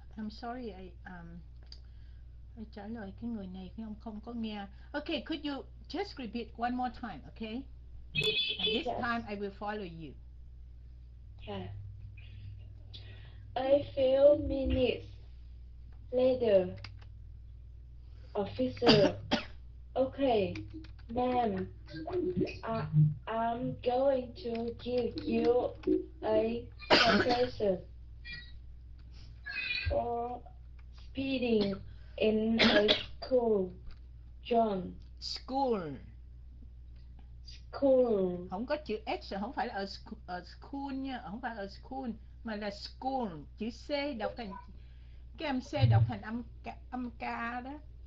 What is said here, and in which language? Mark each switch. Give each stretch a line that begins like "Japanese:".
English: I'm sorry, I
Vietnamese: trả lời cái người này cái ông không có nghe.
English: Okay, could you just repeat one more time, okay? And this time I will follow you. Yeah. A few minutes later, officer, okay, ma'am, I'm going to give you a citation for speeding in a school, John. School. School.
Vietnamese: Không có chữ S, không phải là school nha, không phải là school. Mà là school, chữ C đọc thành, cái âm C đọc thành âm âm K đó.